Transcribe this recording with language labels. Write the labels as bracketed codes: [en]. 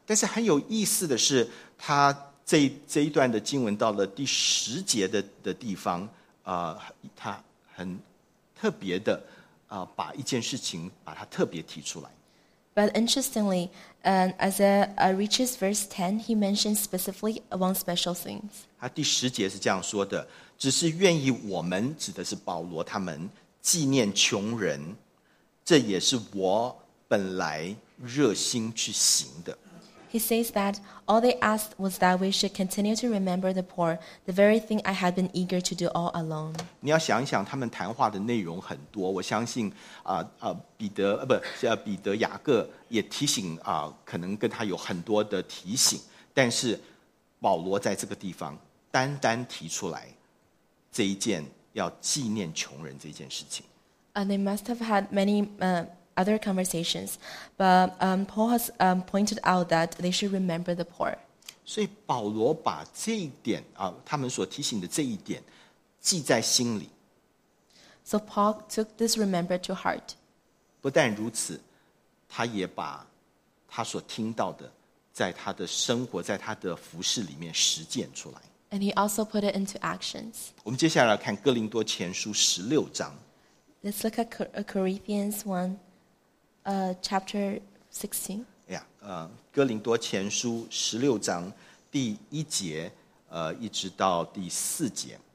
[zh] 但是很有意思的是，他这一段的经文到了第十节的地方，他很特别的把一件事情把它特别提出来。 [en] But interestingly, as it reaches verse 10, he mentions specifically one special thing. [zh] 他第十节是这样说的：只是愿意我们，指的是保罗他们，纪念穷人，这也是我本来热心去行的。 [en] He says that all they asked was that we should continue to remember the poor, the very thing I had been eager to do all along. [zh] 你要想一想，他们谈话的内容很多。我相信，彼得、雅各也提醒可能跟他有很多的提醒，但是保罗在这个地方单单提出来这一件。要纪念穷人这件事情。 [en] They must have had many other conversations, but Paul has pointed out that they should remember the poor. [zh] 所以保罗把这一点他们所提醒的这一点记在心里。 [en] So Paul took this remember to heart. [zh] 不但如此，他也把他所听到的在他的生活，在他的服事里面实践出来。 [en] And he also put it into actions. [zh] 我们接下来看哥林多前书十六章。 [en] Let's look at Corinthians 1, chapter 16. [zh] Yeah, 哥林多前书十六章第一节，一直到第四节。